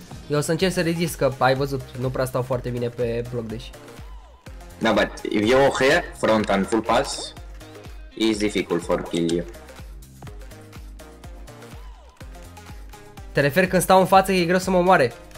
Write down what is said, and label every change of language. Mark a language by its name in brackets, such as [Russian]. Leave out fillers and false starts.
[Romanian] Eu o să încerc să rezist, că ai văzut, nu prea stau foarte bine pe bloc, deși. [English] No, but if you go here, front and full pass, it's difficult for kill you. [Romanian] Te refer când stau în față, e greu să mă omoare?